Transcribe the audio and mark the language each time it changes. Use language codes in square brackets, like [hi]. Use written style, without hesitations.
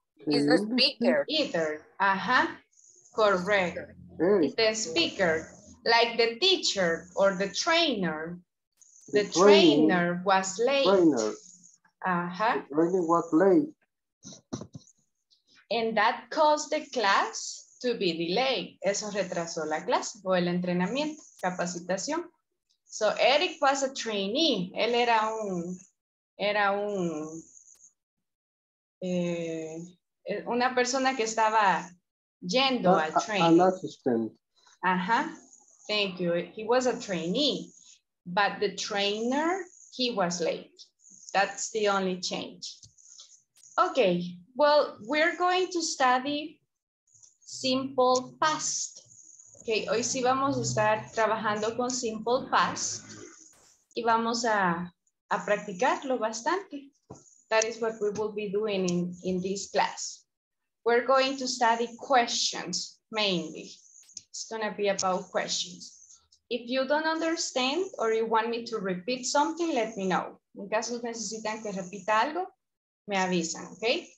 [en] Is the speaker. Either. Uh-huh. Correct. Hey. The speaker, like the teacher or the trainer. The trainer was late. Trainer. Uh-huh. The training was late. And that caused the class to be delayed. [es] Eso retrasó la clase o el entrenamiento, capacitación. [en] So Eric was a trainee. [es] Él era una persona que estaba yendo a training. [en] An assistant. Uh-huh. Thank you. He was a trainee. But the trainer, he was late. That's the only change. Okay, well, we're going to study simple past. [es] Okay, hoy sí vamos a estar trabajando con simple past y vamos a practicarlo bastante. [en] That is what we will be doing in this class. We're going to study questions mainly. It's gonna be about questions. If you don't understand or you want me to repeat something, let me know. [es] En caso necesitan que repita algo, me avisan, okay?